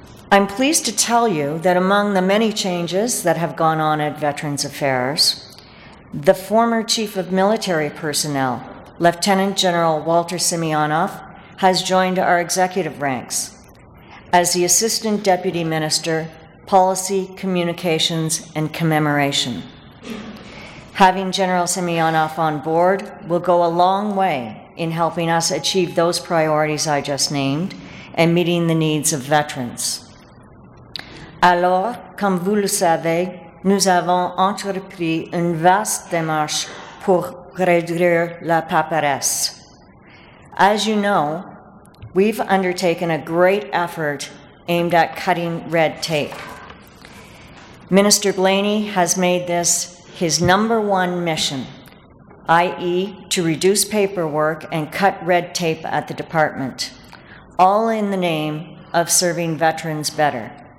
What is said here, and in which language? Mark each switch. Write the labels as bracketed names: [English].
[English] I'm pleased to tell you that among the many changes that have gone on at Veterans Affairs, the former Chief of Military Personnel, Lieutenant General Walter Simeonov, has joined our executive ranks as the Assistant Deputy Minister, Policy, Communications, and Commemoration. Having General Simeonov on board will go a long way in helping us achieve those priorities I just named and meeting the needs of veterans. [French] Alors, comme vous le savez, nous avons entrepris une vaste démarche pour réduire la paperasse. [English] As you know, we've undertaken a great effort aimed at cutting red tape. Minister Blaney has made this his number one mission, i.e., to reduce paperwork and cut red tape at the department, all in the name of serving veterans better.